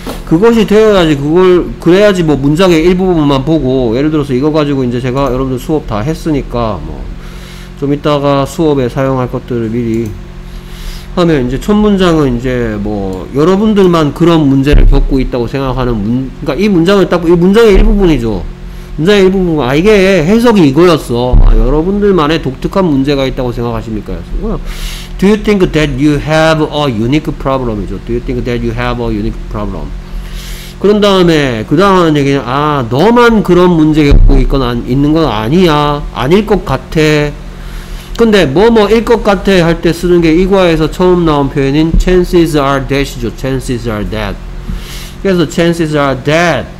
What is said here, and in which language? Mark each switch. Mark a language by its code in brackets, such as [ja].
[ko] 그것이 되어야지 그래야지 뭐 문장의 일부분만 보고 예를 들어서 이거 가지고 이제 제가 여러분들 수업 다 했으니까 뭐 좀 이따가 수업에 사용할 것들을 미리 하면 이제 첫 문장은 이제 뭐 여러분들만 그런 문제를 겪고 있다고 생각하는 그러니까 이 문장을 딱 이 문장의 일부분이죠. 문장의 일부분 아 이게 해석이 이거였어. 아, 여러분들만의 독특한 문제가 있다고 생각하십니까? [en] Do you think that you have a unique problem이죠? Do you think that you have a unique problem? [ko] 그런 다음에 그 다음 얘기는 아 너만 그런 문제 겪고 있거나 있는 건 아니야. 아닐 것 같아. 근데 뭐뭐일 것 같아 할 때 쓰는 게 이 과에서 처음 나온 표현인 chances are that이죠. [en] Chances are that. 그래서 chances are that.